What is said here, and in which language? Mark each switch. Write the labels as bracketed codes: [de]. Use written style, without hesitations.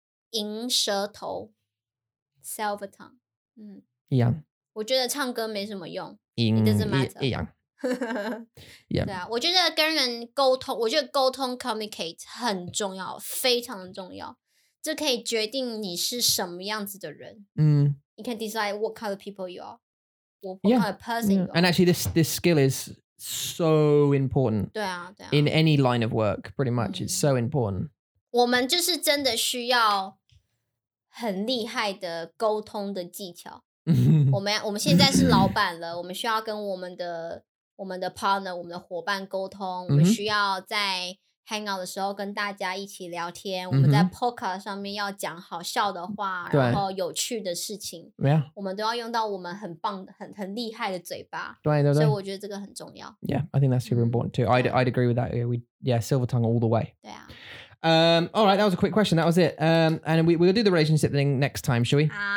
[zh] 银舌头, [en] silver tongue. [zh] 一样。我觉得唱歌没什么用, [en] it doesn't matter. [zh] 一样。 yeah. 我觉得跟人沟通, 我觉得沟通, communicate, 很重要, 非常重要。这可以决定你是什么样子的人。 Mm. [en] You can decide what kind of people you are. What yeah. kind of person yeah. you are. And actually this skill is so important. [zh] 对啊, [en] in any line of work, pretty much. Mm. It's so important. [zh] 我们就是真的需要很厉害的沟通的技巧。我们现在是老板了, 我们需要跟我们的 partner, 我们的伙伴沟通, mm-hmm. 我们需要在 Hangout的时候跟大家一起聊天, mm-hmm. 我们在Podcast上面要讲好笑的话, 然后有趣的事情, [en] yeah. [zh] 我们都要用到我们很棒的很厉害的嘴巴, 对, 所以我觉得这个很重要。 [en] Yeah, I think that's super important too. I'd agree with that. Yeah, silver tongue all the way. [zh] 对啊。 [en] All right, that was a quick question. That was it. And we'll do the relationship thing next time, shall we?